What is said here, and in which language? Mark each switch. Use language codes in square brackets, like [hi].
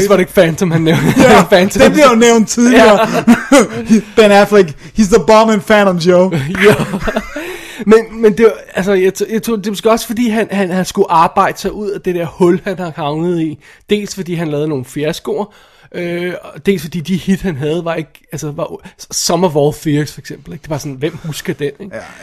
[da] Det var ikke Phantom, han nævnte. Ja, Phantom. Den blev jo nævnt tidligere. [en] Ben Affleck, he's the bomb in Phantoms, yo. [da] Ja. Men det, altså, jeg tog, det er måske også, fordi han skulle arbejde sig ud af det der hul, han har havnet i. Dels fordi han lavede nogle fiaskoer, og dels fordi de hit, han havde, var ikke... Altså, var Some of All Fears, for eksempel. Ikke? Det var sådan, hvem husker den? Ikke?